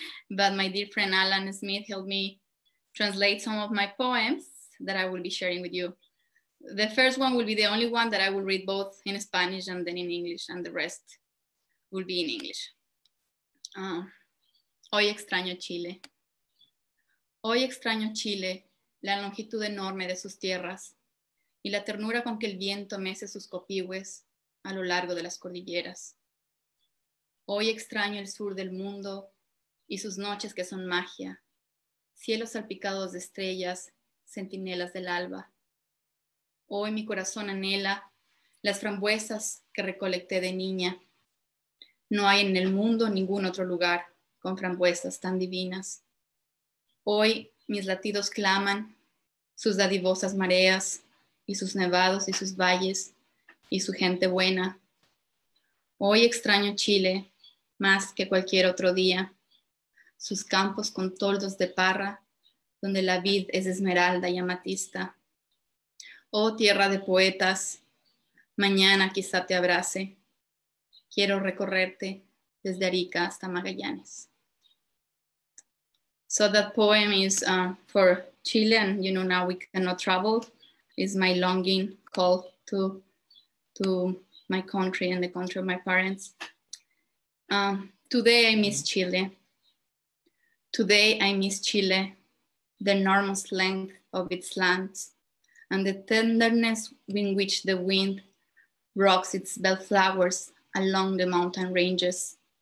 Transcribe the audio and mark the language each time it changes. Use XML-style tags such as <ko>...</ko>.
<en>But my dear friend Alan Smith helped me translate some of my poems that I will be sharing with you. The first one will be the only one that I will read both in Spanish and then in English, and the rest will be in English.</en> <es>Hoy extraño Chile. Hoy extraño Chile, la longitud enorme de sus tierras y la ternura con que el viento mece sus copihues a lo largo de las cordilleras. Hoy extraño el sur del mundo y sus noches que son magia, cielos salpicados de estrellas, centinelas del alba. Hoy mi corazón anhela las frambuesas que recolecté de niña. No hay en el mundo ningún otro lugar con frambuesas tan divinas. Hoy mis latidos claman sus dadivosas mareas y sus nevados y sus valles y su gente buena. Hoy extraño Chile más que cualquier otro día, sus campos con toldos de parra donde la vid es esmeralda y amatista. Oh tierra de poetas, mañana quizá te abrace. Quiero recorrerte desde Arica hasta Magallanes.</es> <en>So that poem is for Chile, and you know, now we cannot travel. It's my longing call to my country and the country of my parents. Today I miss Chile. Today I miss Chile, the enormous length of its lands and the tenderness in which the wind rocks its bellflowers along the mountain ranges.</en>